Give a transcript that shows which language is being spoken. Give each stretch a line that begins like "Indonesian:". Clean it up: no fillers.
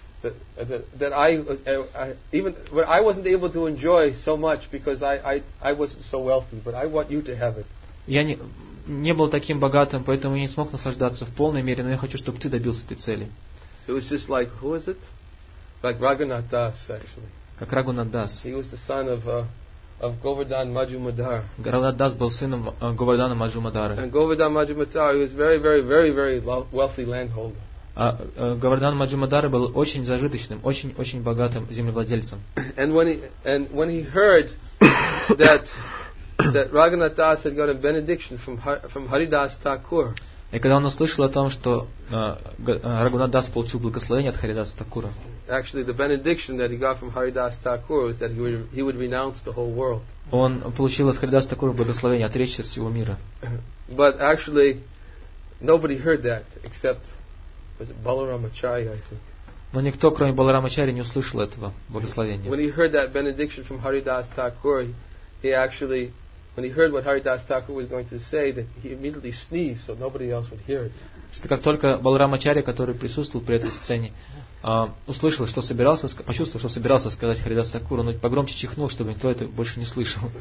English: that I even I wasn't able to enjoy so much because I wasn't so wealthy, but I want you to have it.
Russian: Я не был таким богатым, поэтому я не смог наслаждаться в полной мере, но я хочу, чтобы ты добился этой цели.
English: It was just like, who is it? Like Raghunath Das, actually.
Russian: Как Рагунат Дас.
English: He was the son of Govardhan Majumdar.
Russian: Раганат Дас был сыном Говардана Маджумадара.
English: And Govardhan Majumdar was very, very, very, very wealthy landholder.
Russian: Говардан Маджумадара был очень зажиточным, очень, очень богатым землевладельцем.
English: And when he heard that Raghunath Das had got a benediction from Haridas Thakur.
Russian: И когда он услышал о том, что Рагунат Дас получил благословение от Харидаса Такура.
English: Actually, the benediction that he got from Haridas Thakur was that he would renounce the whole world.
Russian: Он получил от Харидаса Такура благословение отречься от всего мира.
English: But actually, nobody heard that except was it Balarama Charya, I think.
Russian: Но никто, кроме Баларама Чарьи, не услышал этого благословения.
English: When he heard that benediction from Haridas Thakur, when he heard what Haridas Thakur was going to say, that he immediately sneezed so nobody else would hear it.
Russian: Что как только Баларама Чарья, который присутствовал при этой сцене, услышал, что собирался, почувствовал, что собирался сказать Харидас Такур, но погромче чихнул, чтобы никто это больше не слышал.